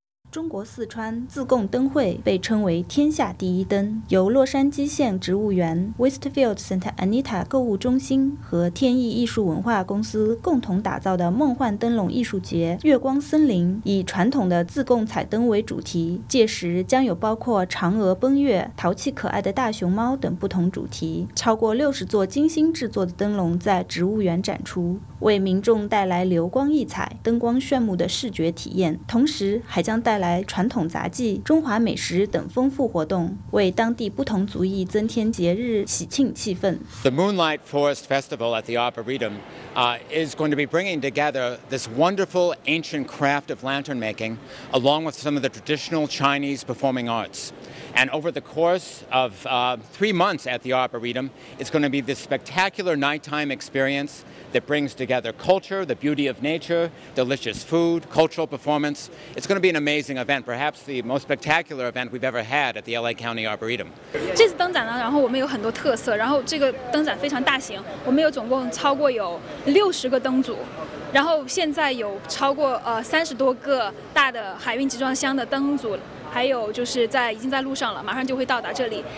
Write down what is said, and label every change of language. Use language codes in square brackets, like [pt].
[zh] 中国四川自贡灯会被称为天下第一灯，由洛杉矶县植物园 Westfield Santa Anita 购物中心和天意艺术文化公司共同打造的梦幻灯笼艺术节月光森林，以传统的自贡彩灯为主题，届时将有包括嫦娥奔月、淘气可爱的大熊猫等不同主题，超过60座精心制作的灯笼在植物园展出，为民众带来流光溢彩、灯光炫目的视觉体验，同时还将带来传统杂技、中华美食等丰富活动，为当地不同族裔增添节日喜庆气氛。 [en] The Moonlight Forest Festival at the Arboretum, is going to be bringing together this wonderful ancient craft of lantern making, along with some of the traditional Chinese performing arts. And over the course of, 3 months at the Arboretum, it's going to be this spectacular nighttime experience that brings together culture, the beauty of nature, delicious food, cultural performance. It's going to be an amazing event, perhaps the most spectacular event we've ever had at the LA County Arboretum. [zh] 这次灯展呢，然后我们有很多特色，然后这个灯展非常大型，我们有总共超过有60个灯组，然后现在有超过30多个大的海运集装箱的灯组，还有就是在已经在路上了，马上就会到达这里。